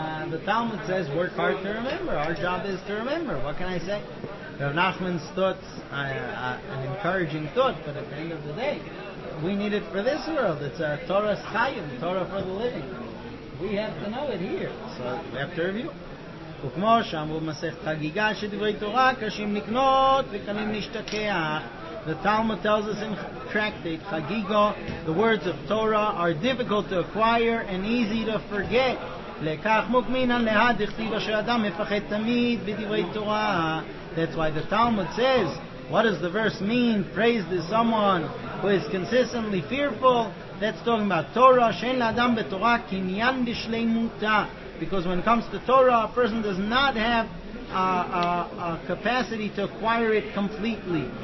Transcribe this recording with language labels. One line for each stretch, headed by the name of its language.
English: The Talmud says, work hard to remember. Our job is to remember. What can I say? Rav Nachman's thoughts, an encouraging thought, but at the end of the day, we need it for this world. It's a Torah Schayim, Torah for the living. We have to know it here. So we have to review.
Hebrew: וכמו שאמרו מסכת חגיגה שדברי תורה קשים לקנות וקלים להשתכח.
English: The Talmud tells us in Tractate Chagigo, the words of Torah are difficult to acquire and easy to forget.
Hebrew: לכך מוקמינן להד הכתיב אשר אדם מפחד תמיד בדברי תורה.
English: That's why the Talmud says, what does the verse mean? Praised is someone who is consistently fearful. That's talking about Torah.
Hebrew: שאין לאדם בתורה קניין בשלמותה.
English: Because when it comes to Torah, a person does not have a capacity to acquire it completely.